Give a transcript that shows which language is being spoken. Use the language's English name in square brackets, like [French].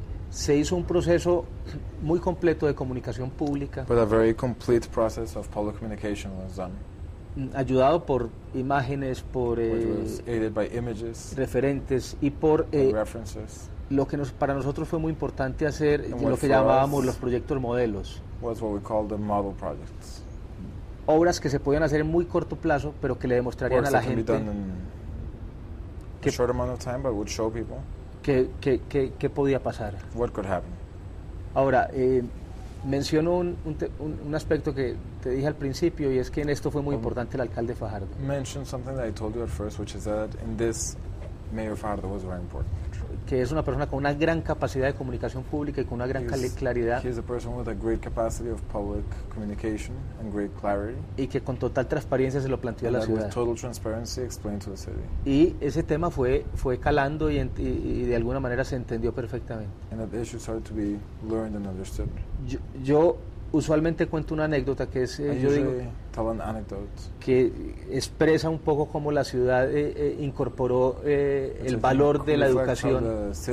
[Spanish] Se hizo un proceso muy completo de comunicación pública. [English] But a very complete process of public communication was done. [Spanish] Ayudado por imágenes, por [English] images, [Spanish] referentes y por [English] references. [Spanish] Lo que para nosotros fue muy importante hacer lo que llamábamos los proyectos modelos. [English] Was what we called the model projects. [Spanish] Obras que se podían hacer en muy corto plazo, pero que le demostrarían [English] works [Spanish] a la gente [English] can be done in que a short amount of time, but would show people [Spanish] que podía pasar. [English] What could happen. [Spanish] Ahora, menciono un aspecto que te dije al principio y es que en esto fue muy importante el alcalde Fajardo. [English] Mentioned something that I told you at first, which is that in this, Mayor Fajardo was very important. [Spanish] Que es una persona con una gran capacidad de comunicación pública y con una gran claridad. [English] He is a person with a great capacity of public communication and great clarity. [Spanish] Y que con total transparencia se lo planteó a la ciudad. [English] And with total transparency explained to the city. [Spanish] Y ese tema fue calando y de alguna manera se entendió perfectamente. [English] And the issue started to be learned and understood. [Spanish] Yo usualmente cuento una anécdota que es, yo digo, que expresa un poco cómo la ciudad incorporó el valor de la educación.